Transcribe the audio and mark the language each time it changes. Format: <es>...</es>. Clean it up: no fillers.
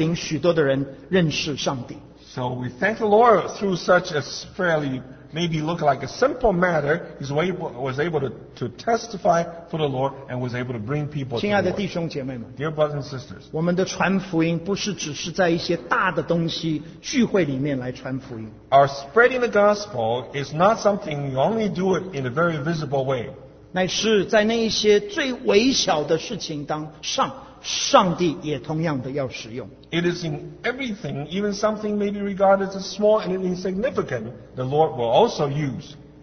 <zh>感谢主，就从这样一个很简单的一个工作的里面，神就给他有很多的机会，不仅是做见证，也带领许多的人认识上帝。</zh> <en>So we thank the Lord through such a fairly maybe look like a simple matter, was able to testify for the Lord and was able to bring people to the Lord.</en> <zh>亲爱的弟兄姐妹们,</zh> <en>dear brothers and sisters,</en> <zh>我们的传福音不是只是在一些大的东西聚会里面来传福音。</zh> <en>Our spreading the gospel is not something you only do it in a very visible way.</en> <zh>乃是在那一些最微小的事情当上, 上帝也同样的要使用。</zh> <en>It is in everything, even something maybe regarded as small and insignificant, the Lord will also use.</en>